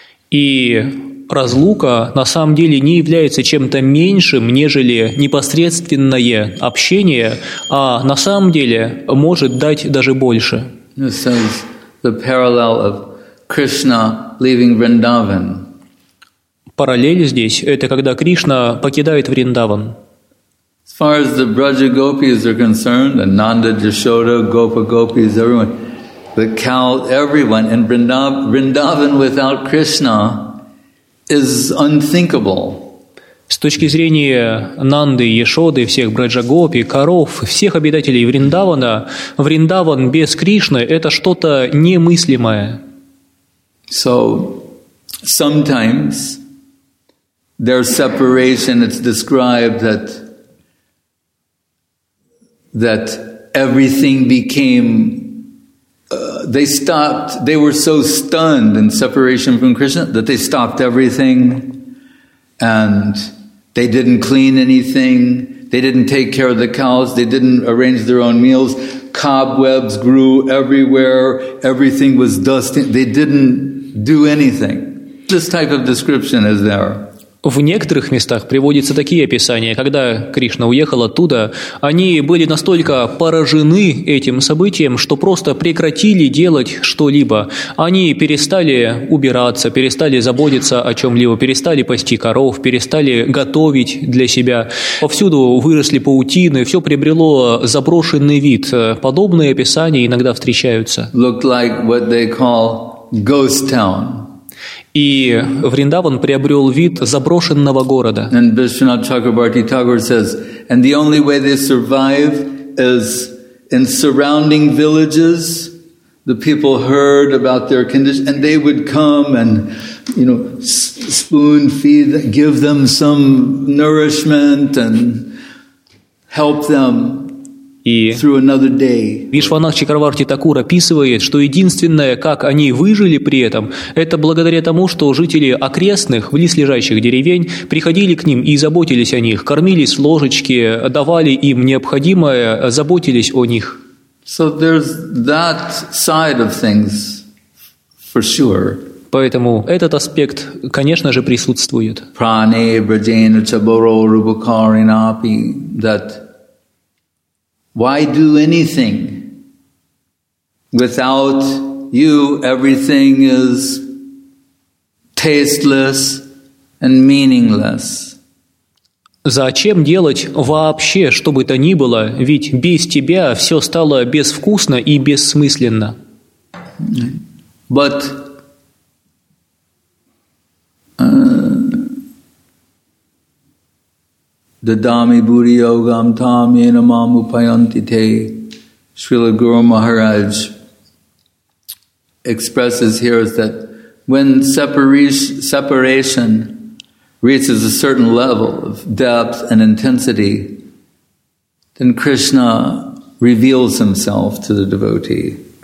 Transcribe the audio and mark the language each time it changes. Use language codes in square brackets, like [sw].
[ru] И разлука на самом деле не является чем-то меньшим, нежели непосредственное общение, а на самом деле может дать даже больше. [en] This is the parallel of Krishna leaving Vrindavan. [ru] Параллель здесь – это когда Кришна покидает Вриндаван. [en] As far as the Braja Gopis are concerned, Ananda, Yashoda, Gopa Gopis, everyone, the Kal, everyone in Vrindavan without Krishna is unthinkable. [ru] С точки зрения Нанды, Яшоды, всех Браджагопи, коров, всех обитателей Вриндавана, Вриндаван без Кришны – это что-то немыслимое. [en] So, sometimes their separation is described that everything became they stopped, they were so stunned in separation from Krishna that they stopped everything and they didn't clean anything, they didn't take care of the cows, they didn't arrange their own meals, cobwebs grew everywhere, everything was dusty, they didn't do anything. This type of description is there. [ru] В некоторых местах приводятся такие описания, когда Кришна уехал оттуда, они были настолько поражены этим событием, что просто прекратили делать что-либо. Они перестали убираться, перестали заботиться о чем-либо, перестали пасти коров, перестали готовить для себя. Повсюду выросли паутины, все приобрело заброшенный вид. Подобные описания иногда встречаются. [en] Looked like what they call ghost town. [ru] И Вриндаван приобрел вид заброшенного города. [en] And Vishwanath Chakrabarti Thakur says, and the only way they survive is in surrounding villages. The people heard about their condition, and they would come and, you know, spoon feed, give them some nourishment and help them. [ru] Вишванат Чакраварти Такур описывает, что единственное, как они выжили при этом, это благодаря тому, что жители окрестных, близлежащих деревень, приходили к ним и заботились о них, кормили с ложечки, давали им необходимое, заботились о них. [en] So there's that side of things for sure. [ru] Поэтому этот аспект, конечно же, присутствует. Пране, браджена, чаборо, рубакаринапи, that... [en] Why do anything? Without you, everything is tasteless and meaningless. [ru] Зачем делать вообще, что бы то ни было? Ведь без тебя все стало безвкусно и бессмысленно. [en] But [sa] Dadami Buddhi Yogam Tam Yenamam Upayantite, [en] Srila Guru Maharaj expresses here is that when separation reaches a certain level of depth and intensity, then Krishna reveals himself to the devotee.